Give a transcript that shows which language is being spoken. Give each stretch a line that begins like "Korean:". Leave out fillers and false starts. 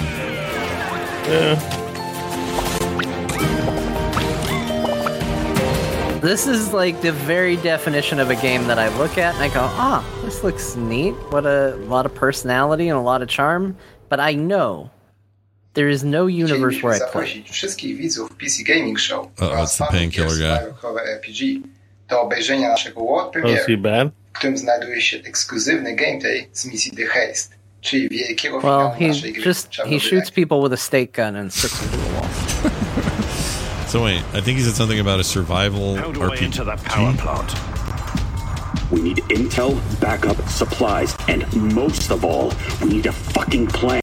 English: Yeah. This is like the very definition of a game that I look at and I go, ah, this looks neat. What a lot of personality and a lot of charm. But I know there is no universe where I play.
Polish: Wszystkich widzów PC Gaming Show.
English: Oh, it's the painkiller guy.
Polish: Do obejrzenia naszego World Premiere, w którym znajduje się ekskluzywny gameplay z misji The Haste.
English: Well, he shoots people with a steak gun and sticks them to the wall. So wait, I think he said something about a survival RPG. How do I enter that power plant? We need intel, backup, supplies, and most of all, we need a fucking plan.